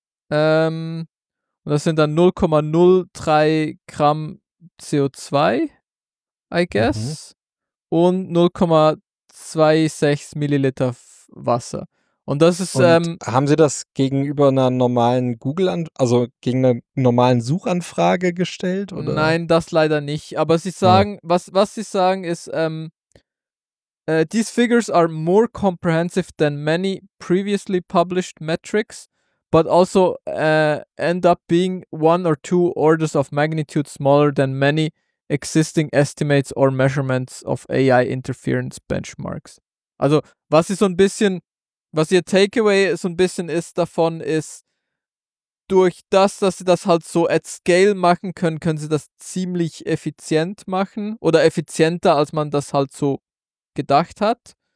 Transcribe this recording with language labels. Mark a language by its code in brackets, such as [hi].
[de] Und das sind dann 0,03 Gramm CO2, [en] I guess. [de] Mhm. Und 0,26 Milliliter Wasser. Und das ist. Und haben Sie das gegenüber einer normalen Suchanfrage gestellt? Oder? Nein, das leider nicht. Aber Sie sagen, ja. was Sie sagen ist, [en] these figures are more comprehensive than many previously published metrics, but also end up being one or two orders of magnitude smaller than many existing estimates or measurements of AI interference benchmarks. [de] Also, was ist so ein bisschen. Was ihr Takeaway so ein bisschen ist davon, ist, durch das, dass sie das halt so [en] at scale [de] machen können, können sie das ziemlich effizient machen oder effizienter, als man das halt so gedacht hat.